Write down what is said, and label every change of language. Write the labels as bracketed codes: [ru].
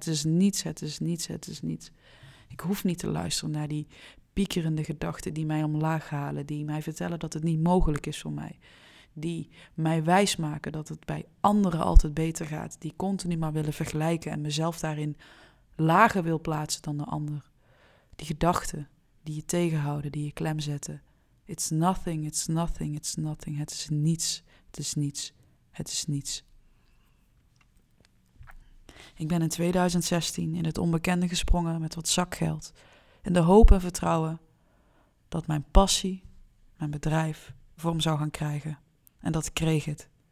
[nl] Het is niets, het is niets, het is niets. Ik hoef niet te luisteren naar die piekerende gedachten die mij omlaag halen, die mij vertellen dat het niet mogelijk is voor mij. Die mij wijsmaken dat het bij anderen altijd beter gaat. Die continu maar willen vergelijken en mezelf daarin lager wil plaatsen dan de ander. Die gedachten die je tegenhouden, die je klem zetten. [en] It's nothing, it's nothing, it's nothing. [nl] Het is niets, het is niets, het is niets. Ik ben in 2016 in het onbekende gesprongen met wat zakgeld. In de hoop en vertrouwen dat mijn passie, mijn bedrijf, vorm zou gaan krijgen. En dat kreeg het.